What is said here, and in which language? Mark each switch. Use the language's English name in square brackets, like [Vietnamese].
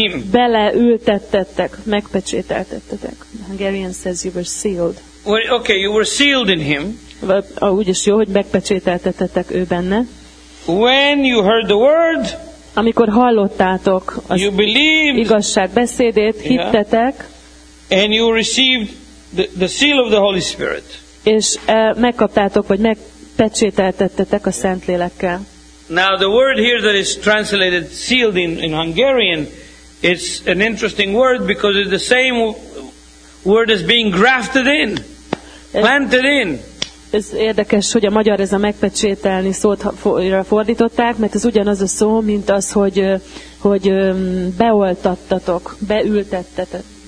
[Hungarian] Beleültettettek, megpecsételtettetek. [English] Hungarian says you were sealed. Well, okay, you were sealed in him. [Hungarian] Úgy is jó, hogy megpecsételtettetek ő benne. [English] When you heard the word, [Hungarian] amikor hallottátok az igazság beszédét, hittetek, [English] and you received the seal of the Holy Spirit. [Hungarian] És megkaptátok, vagy megpecsételtettetek a Szentlélekkel. [English] Now the word here that is translated sealed in Hungarian, it's an interesting word because it's the same word is being grafted in, planted in. [Hungarian] Ez érdekes, hogy a magyar ez a megpecsételni szót fordították, mert ez ugyanaz a szó, mint az, hogy hogy beoltattatok, beültettetek.